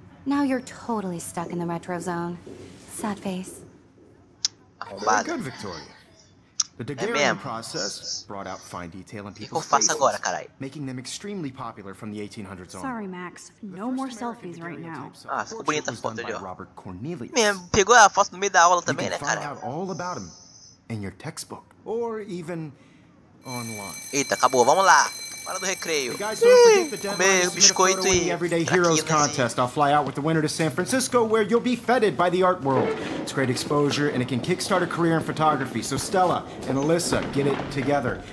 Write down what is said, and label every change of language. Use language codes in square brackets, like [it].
[en] Now you're totally stuck in the retro zone. Sad face. [pt] Arrombado. [en] Very good, Victoria. The daguerreotyping process brought out fine detail in people's faces, [pt] agora, carai? [en] Making them extremely popular from the 1800s on. Sorry, Max. No more selfies right now. [pt] Ah, ficou bonita a foto ali, ó. Robert Cornelius. Mesmo, pegou a foto no meio da aula também, né, cara? [en] You can find out all about him in your textbook or even online. [pt] Eita, acabou. Vamos lá. Hora do recreio. Comer biscoito e [en] Everyday Heroes contest. I'll fly out with the winner to San Francisco where you'll be feted by the art world. It's great exposure and it can kickstart a career in photography. So Stella and Alyssa, get it together.